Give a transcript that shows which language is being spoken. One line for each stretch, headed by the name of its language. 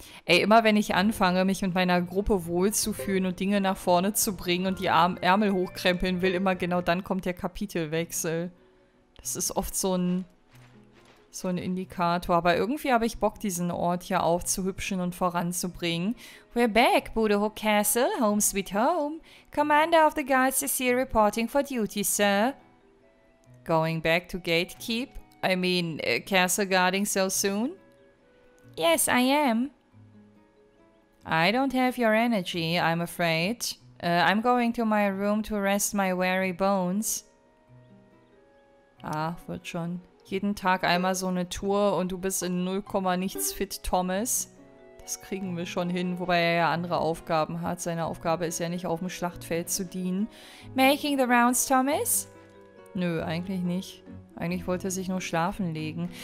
German: Ey, immer wenn ich anfange, mich mit meiner Gruppe wohlzufühlen und Dinge nach vorne zu bringen und die Ärmel hochkrempeln will, immer genau dann kommt der Kapitelwechsel. Das ist oft so ein Indikator. Aber irgendwie habe ich Bock, diesen Ort hier aufzuhübschen und voranzubringen.
English: We're back, Budehook Castle, home sweet home. Commander of the Guards is here reporting for duty, sir. Going back to gatekeep? I mean, castle guarding so soon? Yes, I am. I don't have your energy, I'm afraid. I'm going to my room to rest my weary bones.
German: Ah, wird schon. Jeden Tag einmal so eine Tour und du bist in 0, nichts fit, Thomas. Das kriegen wir schon hin, wobei er ja andere Aufgaben hat. Seine Aufgabe ist ja nicht, auf dem Schlachtfeld zu dienen.
English: Making the rounds, Thomas?
German: Nö, eigentlich nicht. Eigentlich wollte er sich nur schlafen legen.